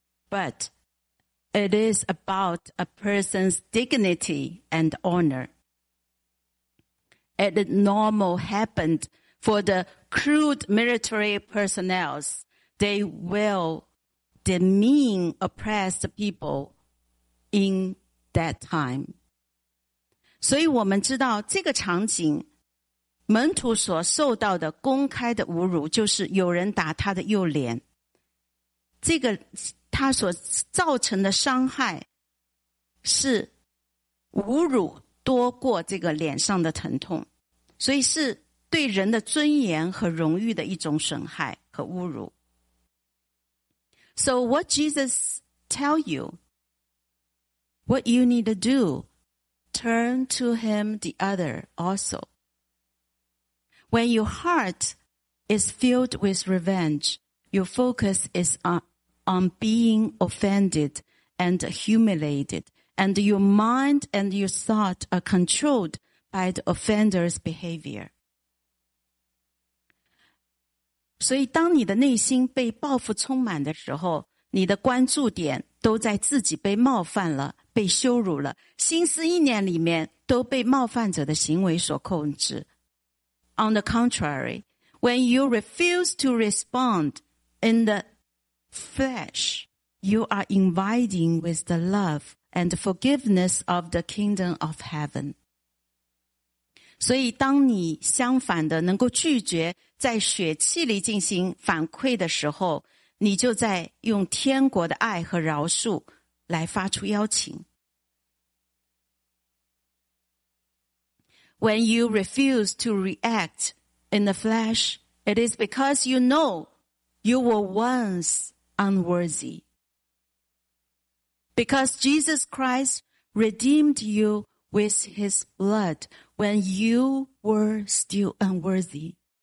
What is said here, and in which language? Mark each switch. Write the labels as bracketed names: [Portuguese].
[English] but it is about a person's dignity and honor. It normal happened for the crude military personnel. They will demean oppressed people in that time. [Chinese] 所以我们知道这个场景门徒所受到的公开的侮辱就是有人打他的右脸。这个他所造成的伤害是侮辱多过这个脸上的疼痛。所以是对人的尊严和荣誉的一种损害和侮辱。 [English] So what Jesus tell you, what you need to do, turn to him the other also. When your heart is filled with revenge, your focus is on being offended and humiliated, and your mind and your thought are controlled by the offender's behavior. [Chinese] 所以当你的内心被报复充满的时候，你的关注点都在自己被冒犯了，被羞辱了，心思意念里面都被冒犯者的行为所控制。 [English] On the contrary, when you refuse to respond in the flesh, you are inviting with the love and forgiveness of the kingdom of heaven. [Chinese] 所以当你相反的能够拒绝在血气里进行反馈的时候，你就在用天国的爱和饶恕来发出邀请。 [English] When you refuse to react in the flesh, it is because you know you were once unworthy. Because Jesus Christ redeemed you with his blood when you were still unworthy.